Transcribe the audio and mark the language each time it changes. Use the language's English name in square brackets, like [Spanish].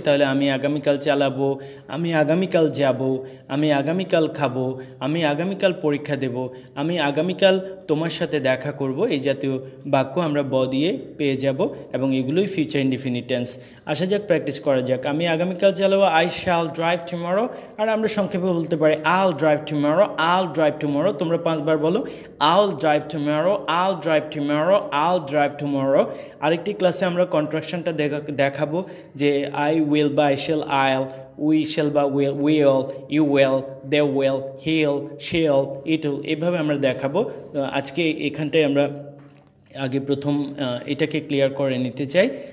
[Bangla] তাহলে আমি আগামীকাল চালাবো, আমি আগামীকাল যাবো, আমি আগামীকাল খাবো, আমি আগামীকাল পরীক্ষা দেব, আমি আগামীকাল তোমার সাথে দেখা করব, এই জাতীয় বাক্য আমরা ব দিয়ে পেয়ে যাব এবং এগুলোই ফিউচার ইনডিফিনিট টেন্স। আসা যাক, প্র্যাকটিস করা যাক। আমি আগামীকাল চালাবো, [English] I shall drive tomorrow, [Bangla] আর আমরা সংক্ষেপে বলতে পারি [English] I'll drive tomorrow, I'll drive tomorrow. [Bangla] তোমরা পাঁচবার বলো [English] I'll drive tomorrow, I'll drive tomorrow, I'll drive tomorrow. [Bangla] আরেকটি ক্লাসে আমরা কন্ট্রাকশনটা দেখাবো যে [English] I will বা I shall, I'll, we shall বা will, will, you will, they will, he'll, shall, it will, [Bangla] এভাবে আমরা দেখাবো। আজকে এখানটায় আমরা আগে প্রথম এটাকে ক্লিয়ার করে নিতে চাই।